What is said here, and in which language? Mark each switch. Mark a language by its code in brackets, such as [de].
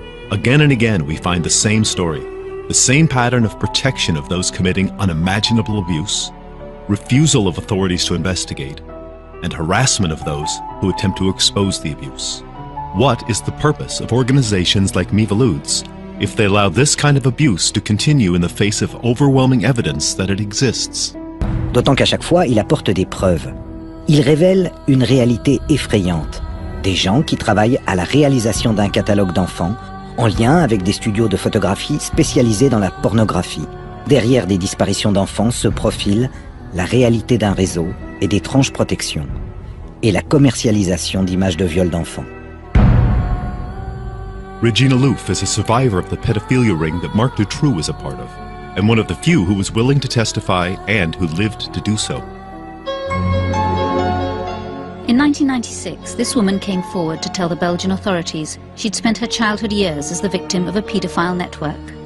[en] Again and again, we find the same story, the same pattern of protection of those committing unimaginable abuse, refusal of authorities to investigate, and harassment of those who attempt to expose the abuse. What is the purpose of organizations like Miviludes if they allow this kind of abuse to continue in the face of overwhelming evidence that it exists? [fr] D'autant qu'à chaque fois, il apporte des preuves. Il révèle une réalité effrayante. Des gens qui travaillent à la réalisation d'un catalogue d'enfants en lien avec des studios de photographie spécialisés dans la pornographie. Derrière des disparitions d'enfants se profile la réalité d'un réseau et d'étranges protections et la commercialisation d'images de viols d'enfants. [en] Regina Louf is a survivor of the pedophilia ring that Mark Dutroux was a part of, and one of the few who was willing to testify and who lived to do so. In 1996, this woman came forward to tell the Belgian authorities she'd spent her childhood years as the victim of a pedophile network.